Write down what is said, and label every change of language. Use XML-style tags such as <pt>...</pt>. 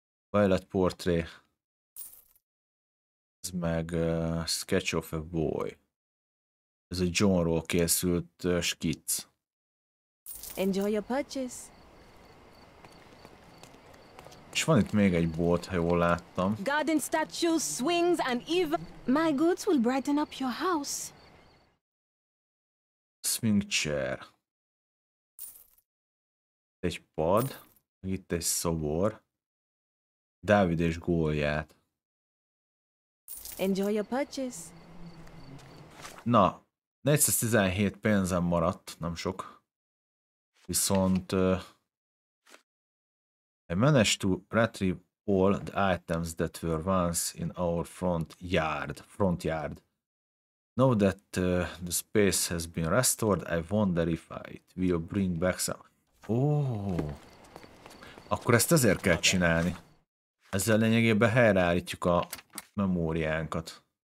<en>Violet Portrait.</en> <hu>Ez meg</hu> <en>Sketch of a Boy.</en> <hu>Ez egy Johnról készült skic.</hu> <en>Enjoy your purchase.</en> <hu>És van itt még egy bolt, ha jól láttam.</hu> <en>Garden statues, swings and even my goods will brighten up your house. Swing chair.</en> <hu>Egy pad, itt egy szobor. Dávid és Góliát.</hu> <en>Enjoy your purchase.</en> <hu>Na, 417 pénzem maradt, nem sok. Viszont</hu> <en>I managed to retrieve all the items that were once in our front yard. Front yard. Now that the space has been restored, I wonder if it will bring back some. Oh.</en> <hu>Akkor ezt azért kell csinálni. Ezzel lényegében helyreállítjuk a memóriánkat.</hu>